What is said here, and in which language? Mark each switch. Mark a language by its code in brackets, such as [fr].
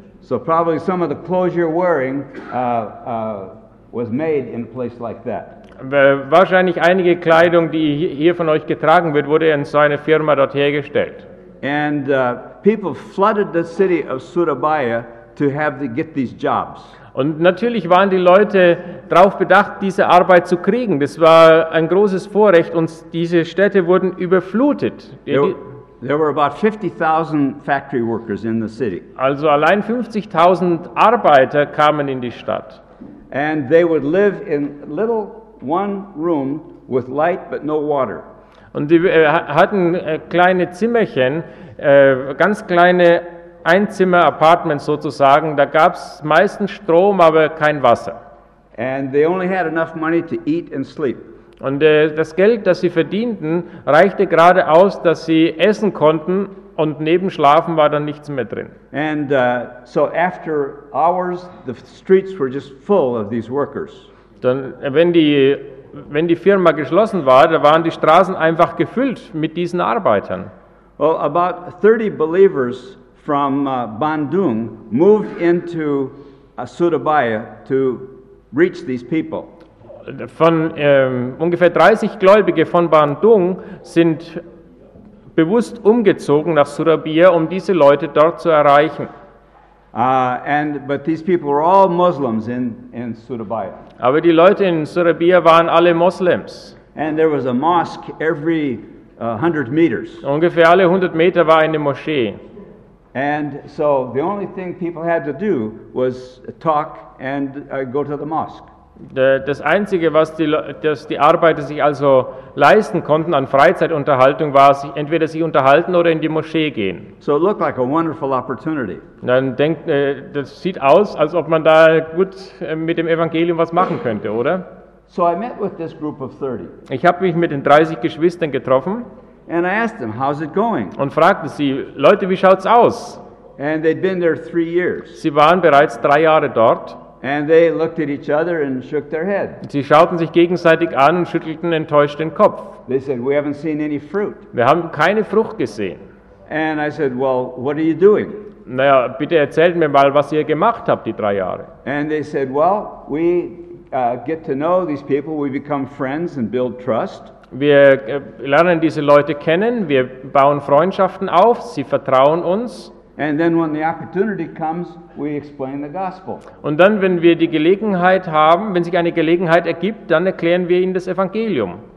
[en] So probably some of the clothes you're wearing was made in a place like that. [de] Wahrscheinlich einige Kleidung, die hier von euch getragen wird, wurde in so einer Firma dort hergestellt. [en] And people flooded the city of Surabaya to have to get these jobs. [de] Und natürlich waren die Leute darauf bedacht, diese Arbeit zu kriegen. Das war ein großes Vorrecht und diese Städte wurden überflutet. [en] There were about 50,000 factory workers in the city. [de] Also allein 50,000 Arbeiter kamen in die Stadt. [en] And they would live in little one room with light but no water. [de] Und die hatten kleine Zimmerchen, ganz kleine Einzimmer-Apartments sozusagen, da gab es meistens Strom, aber kein Wasser. [en] And they only had enough money to eat and sleep. [de] Und das Geld, das sie verdienten, reichte gerade aus, dass sie essen konnten und neben Schlafen war dann nichts mehr drin. [en] And so after hours, the streets were just full of these workers. [de] Dann, wenn die Firma geschlossen war, da waren die Straßen einfach gefüllt mit diesen Arbeitern. [en] Well, about 30 believers from Bandung moved into Surabaya to reach these people. [de] Von ungefähr 30 Gläubige von Bandung sind bewusst umgezogen nach Surabaya, um diese Leute dort zu erreichen. [en] But these people were all Muslims in Surabaya. [de] Aber die Leute in Surabaya waren alle Moslems. [en] And there was a mosque every 100 meters. [de] Ungefähr alle 100 Meter war eine Moschee. [en] And so the only thing people had to do was talk and go to the mosque. [de] Das Einzige, was die Arbeiter sich also leisten konnten an Freizeitunterhaltung, war sich entweder sich unterhalten oder in die Moschee gehen. [en] So it looked like a wonderful opportunity. [de] Das sieht aus, als ob man da gut mit dem Evangelium was machen könnte, oder? [en] So I met with this group of 30. [de] Ich habe mich mit den 30 Geschwistern getroffen. [en] And I asked them, "How's it going?" [de] Und fragte sie, Leute, wie schaut's aus? [en] And they'd been there 3 years. [de] Sie waren bereits 3 Jahre dort. [en] And they looked at each other and shook their head. [de] Sie schauten sich gegenseitig an und schüttelten enttäuscht den Kopf. [en] They said, "We haven't seen any fruit." [de] Wir haben keine Frucht gesehen. [en] And I said, well, what are you doing? [de] Naja, bitte erzählt mir mal, was ihr gemacht habt die drei Jahre. [en] And they said, well, we get to know these people, we become friends and build trust. [de] Wir lernen diese Leute kennen, wir bauen Freundschaften auf, sie vertrauen uns. [en] And then when the opportunity comes, we explain the gospel. [de] Und dann, wenn wir die Gelegenheit haben, wenn sich eine Gelegenheit ergibt, dann erklären wir ihnen das Evangelium.